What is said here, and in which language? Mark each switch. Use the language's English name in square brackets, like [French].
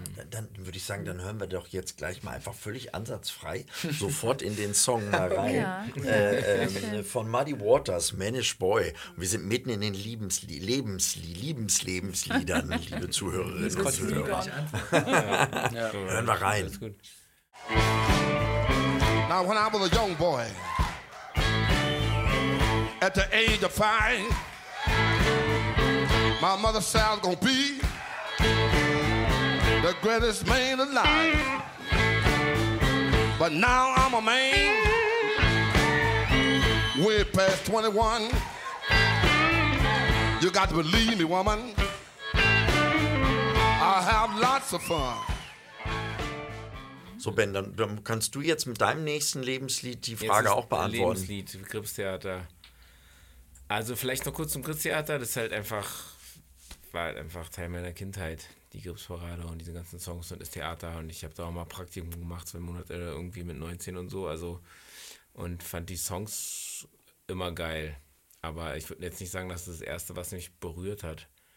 [German] Dann würde ich sagen, dann hören wir doch jetzt gleich mal einfach völlig ansatzfrei sofort in den Song mal rein. Ja. Von Muddy Waters, Manish Boy. Und wir sind mitten in den Lebensliedern, liebe Zuhörerinnen und Zuhörer. Ja. Hören wir rein. [English] Now when I was a young boy at the age of 5, my mother said I was gonna be the greatest man alive. But now I'm a man way past 21. You got to believe me, woman, I have lots of fun. [German] So, Ben, dann kannst du jetzt mit deinem nächsten Lebenslied die Frage jetzt auch beantworten. Lebenslied, Gripstheater. Also vielleicht noch kurz zum Gripstheater, das ist halt einfach... war halt einfach Teil meiner Kindheit, die Gripsparade und diese ganzen Songs und das Theater und ich habe da auch mal Praktikum gemacht, 2 Monate irgendwie mit 19 und so, also und fand die Songs immer geil, aber ich würde jetzt nicht sagen, dass das Erste, was mich berührt hat.